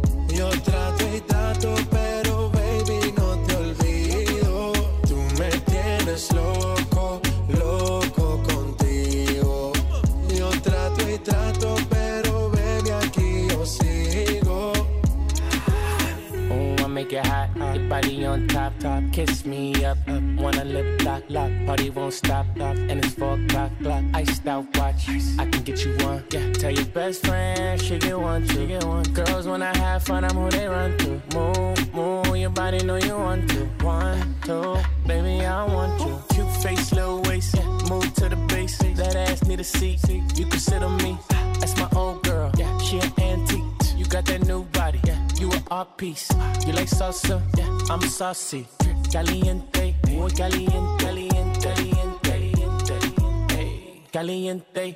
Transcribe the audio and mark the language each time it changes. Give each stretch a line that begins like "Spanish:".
Spanish: Yo trato y trato, pero baby no te olvido. Tú me tienes loco, loco contigo. Yo trato y trato, pero baby aquí yo sigo.
English: Oh, I make it hot. Body on top, top, kiss me up, up. Wanna lip lock, lock. Party won't stop, stop. And it's 4 o'clock, iced out watch. Ice. I can get you one, yeah. Tell your best friend she get one, she get one. Girls wanna have fun, I'm who they run to. Move, move, your body know you want to. One, two, baby I want you. Cute face, little waist, yeah. Move to the bass, that ass need a seat. You can sit on me, that's my old girl. Yeah, she an antique. You got that new body, yeah. You an art piece. You like salsa? Yeah, I'm saucy.
Spanish: Caliente, muy caliente, caliente, caliente, caliente, caliente.